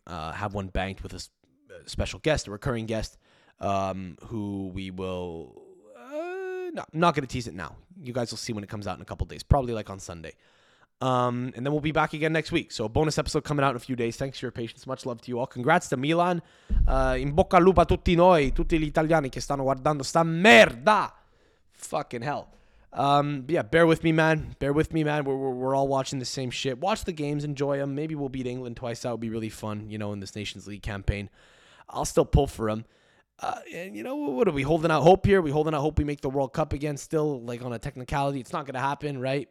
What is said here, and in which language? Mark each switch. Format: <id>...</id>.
<en>Have one banked with a special guest, a recurring guest, who we will... not going to tease it now. You guys will see when it comes out in a couple of days, probably like on Sunday. And then we'll be back again next week. So a bonus episode coming out in a few days. Thanks for your patience. Much love to you all. Congrats to Milan.</en> <it>In bocca al lupo a tutti noi, tutti gli italiani che stanno guardando sta merda.</it> <en>Fucking hell. Bear with me, man. We're all watching the same shit. Watch the games. Enjoy them. Maybe we'll beat England twice. That would be really fun, you know, in this Nations League campaign. I'll still pull for them. And, you know, what are we holding out hope here? We holding out hope we make the World Cup again still, like, on a technicality. It's not going to happen, right?</en>